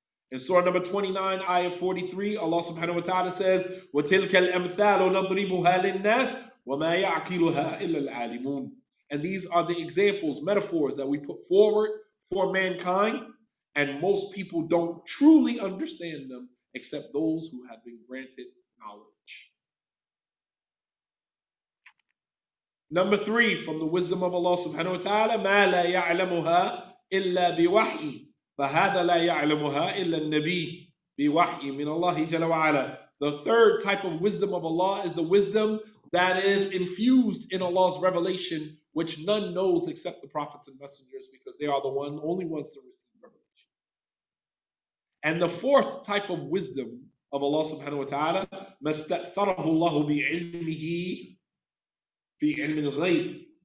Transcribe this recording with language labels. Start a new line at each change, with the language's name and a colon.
English: In Surah number 29, ayah 43, Allah subhanahu wa ta'ala says,
Arabic: وَتِلْكَ الْأَمْثَالُ نَضْرِبُهَا لِلنَّاسِ وَمَا يَعْقِلُهَا إِلَّا الْعَالِمُونَ.
English: And these are the examples, metaphors that we put forward for mankind. And most people don't truly understand them except those who have been granted knowledge. Number three, from the wisdom of Allah subhanahu wa ta'ala,
Arabic: ما لا يعلمها إلا بوحي فهذا لا يعلمها إلا النبي بوحي من الله جل وعلا.
English: The third type of wisdom of Allah is the wisdom that is infused in Allah's revelation, which none knows except the prophets and messengers, because they are the one, only ones to receive revelation. And the fourth type of wisdom of Allah subhanahu wa ta'ala,
Arabic: ما استأثره الله بعلمه في علم الغيب.